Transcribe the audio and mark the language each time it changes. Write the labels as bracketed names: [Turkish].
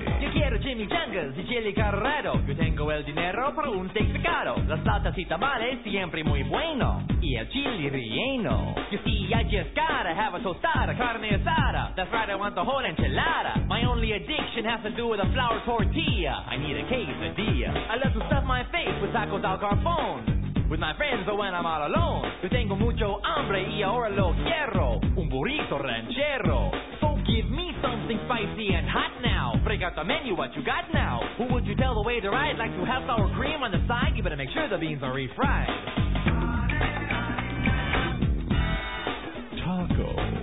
[Spanish] Yo quiero Jimmy Jungles y Chili Carrero. Yo tengo el dinero para un steak de caro. La salsa y tamales siempre muy bueno. Y el chili relleno. [English] You see, I just gotta have a tostada, carne asada. That's right, I want the whole enchilada. My only addiction has to do with a flour tortilla. I need a quesadilla. I love to stuff my face with tacos al carbón. With my friends, but when I'm all alone. [Spanish] Yo tengo mucho hambre y ahora lo quiero. Un burrito ranchero. [English] So give me something spicy and hot now. Break out the menu, what you got now? Who would you tell the waiter I'd like to have sour cream on the side? You better make sure the beans are refried. Taco.